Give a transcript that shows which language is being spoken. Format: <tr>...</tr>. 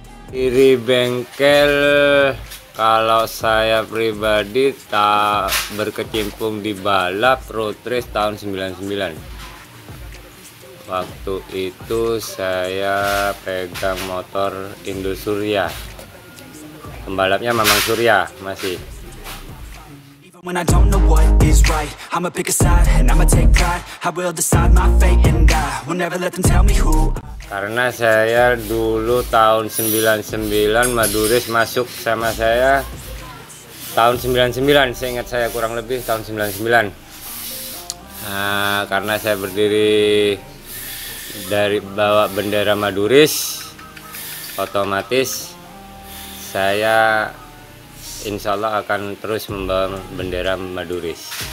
<id>Kiri bengkel, kalau saya pribadi tak berkecimpung di balap road race tahun 99. Waktu itu saya pegang motor Indo Surya. Pembalapnya memang Surya masih.</id> <en>When I don't know what is right, I'ma pick a side and I'ma take pride. I will decide my fate and I will never let them tell me who.</en> <id>Karena saya dulu tahun 99 Maduris masuk sama saya tahun 99, saya ingat saya kurang lebih tahun 99. Karena saya berdiri dari bawa bendera Maduris, otomatis saya insya Allah akan terus membawa bendera Maduris.</id>